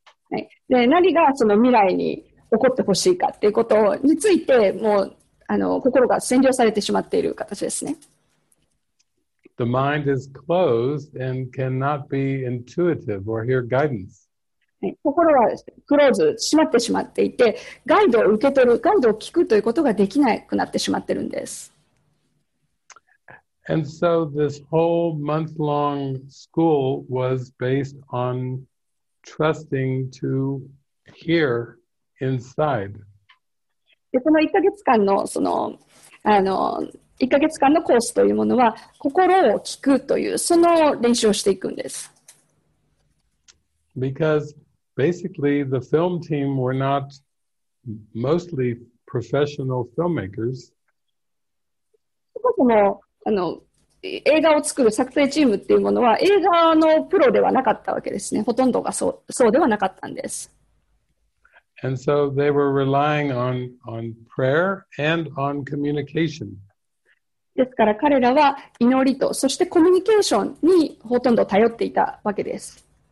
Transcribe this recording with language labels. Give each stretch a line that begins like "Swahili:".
Japanese: はい。で、何がその未来に起こってほしいかっていうことについて、もう、心が占領されてしまっている形ですね。
English: The mind is closed and cannot be intuitive or hear guidance.
Japanese: 心はクローズ、閉まってしまっていて、ガイドを受け取る、ガイドを聞くということができなくなってしまっているんです。
English: And so this whole month-long school was based on trusting to hear inside.
Japanese: で、この1ヶ月間の、その1ヶ月間のコースというものは、心を聞くという、その練習をしていくんです。
English: BecauseBasically, the film team were not mostly professional filmmakers.
Japanese: そもそも映画を作る作成チームっていうものは映画のプロではなかったわけですね。ほとんどがそうではなかったんです。
English: And so they were relying on prayer and on communication.
Japanese: ですから彼らは祈りとそしてコミュニケーションにほとんど頼っていたわけです。